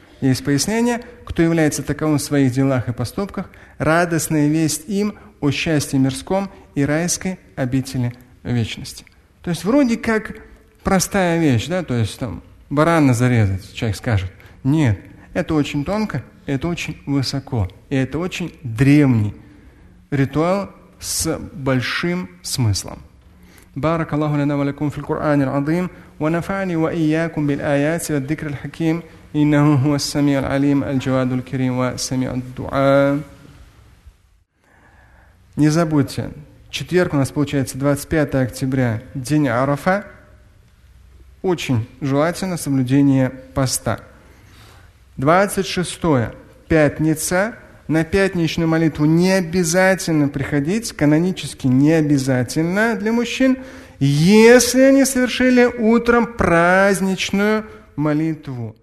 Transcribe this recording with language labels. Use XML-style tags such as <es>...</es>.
<ru>Есть пояснение, кто является таковым в своих делах и поступках, радостная весть им о счастье мирском и райской обители вечности. То есть вроде как простая вещь, да, то есть там барана зарезать, человек скажет. Нет, это очень тонко, это очень высоко, и это очень древний ритуал с большим смыслом.</ru> <ar>بارك الله لنا ولكم في القرآن العظيم ونفعني وإياكم بالآيات والذكر الحكيم إنه هو السميع العليم الجواد الكريم والسميع الدعاء.</ar> <ru>Не забудьте, четверг у нас получается 25 октября, день Арафа. Очень желательно соблюдение поста. 26-е, пятница. На пятничную молитву не обязательно приходить, канонически не обязательно для мужчин, если они совершили утром праздничную молитву.</ru>